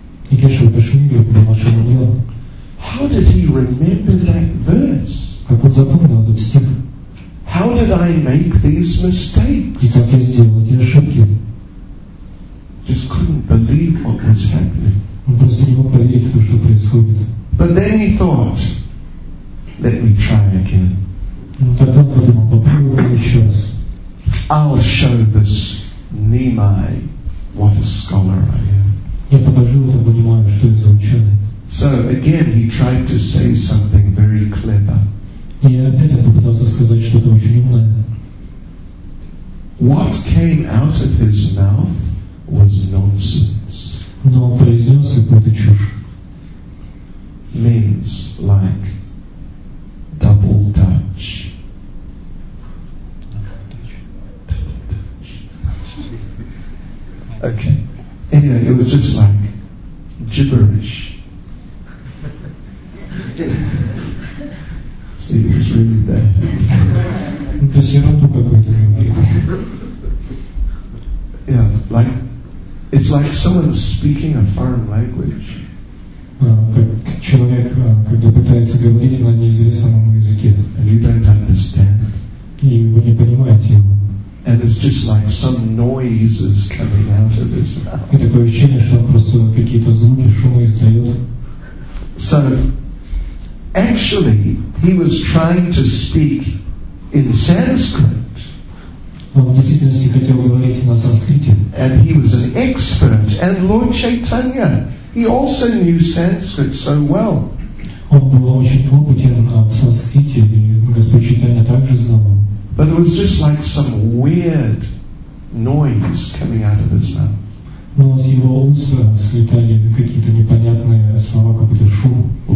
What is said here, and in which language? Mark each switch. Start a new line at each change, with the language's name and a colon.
Russian: И Кешава Кашмири был ошеломлен.
English: How did he remember that verse?
Russian: Как он запомнил этот стих?
English: How did I make these mistakes?
Russian: И как я сделал эти ошибки?
English: Just couldn't believe what was happening.
Russian: Он просто не мог поверить в то, что происходит.
English: But then he thought, let me try again.
Russian: Но тогда он подумал, попробуем еще раз.
English: I'll show this Nimai what a scholar I am.
Russian: Я покажу этому Нимаю, что я за ученый.
English: So again he tried to say something very clever.
Russian: И опять он попытался сказать что-то очень умное.
English: What came out of his mouth was nonsense.
Russian: Но он произнес какую-то чушь.
English: Means like double touch. Okay. Anyway, it was just like gibberish. See, it was really bad.
Russian: Это сироту какой-то говорит.
English: Yeah, like it's like someone speaking a foreign language.
Russian: Человек, когда пытается говорить на неизвестном ему языке,
English: and you don't understand.
Russian: И вы не понимаете его.
English: And it's just like some noises coming out of his mouth.
Russian: И такое ощущение, что он просто какие-то звуки, шумы издает.
English: So, actually, he was trying to speak in Sanskrit.
Russian: Он в действительности хотел говорить на санскрите.
English: And he was an expert. And Lord Chaitanya, he also knew Sanskrit so well.
Russian: Он был очень опытен в санскрите, и Господь Чайтанья также знал.
English: But it was just like some weird noise coming out of his mouth.
Russian: Но с его уст слетали какие-то непонятные слова, какой-то шум.